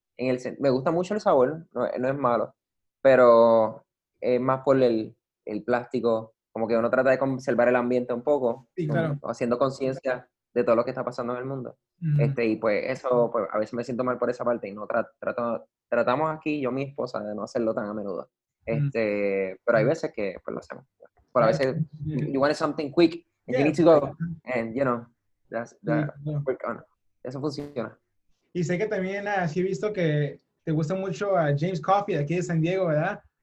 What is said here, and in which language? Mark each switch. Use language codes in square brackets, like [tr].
[es] Me gusta mucho el sabor, no es malo, pero es más por el plástico, como que uno trata de conservar el ambiente un poco, sí, claro. Haciendo conciencia de todo lo que está pasando en el mundo. Uh-huh. Y pues eso, pues a veces me siento mal por esa parte y no tratamos aquí, yo y mi esposa, de no hacerlo tan a menudo. Pero hay veces que pues lo hacemos. Pero a veces, [en] you want something quick, and you need to go, and you know, that's work on. [es] Eso funciona. Y sé que también así he visto que te gusta mucho a James Coffee aquí de San Diego, ¿verdad?